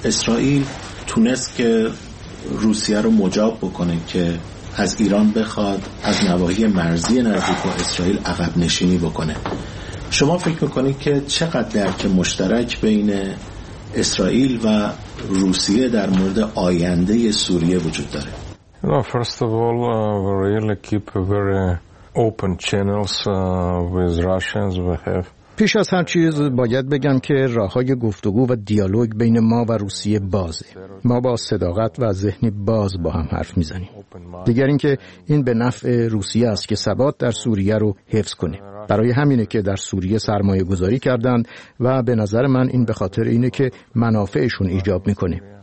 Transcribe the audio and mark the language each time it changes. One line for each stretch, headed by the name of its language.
Persian: اسرائیل تونست که روسیه رو مجاب بکنه که از ایران بخواد از نواحی مرزی نزدیک با اسرائیل عقب نشینی بکنه. شما فکر میکنید که چقدر درک مشترک بین اسرائیل و روسیه در مورد آینده سوریه وجود داره؟
English: No, first of all, we really keep very open channels with Russians. We have.
Persian: پیش از هر چیز باید بگم که راه‌های گفتگو و دیالوگ بین ما و روسیه بازه. ما با صداقت و ذهنی باز با هم حرف می‌زنیم. دیگر اینکه این به نفع روسیه است که ثبات در سوریه رو حفظ کنه. برای همینه که در سوریه سرمایه گذاری کردند و به نظر من این به خاطر اینه که منافعشون ایجاب می‌کنه.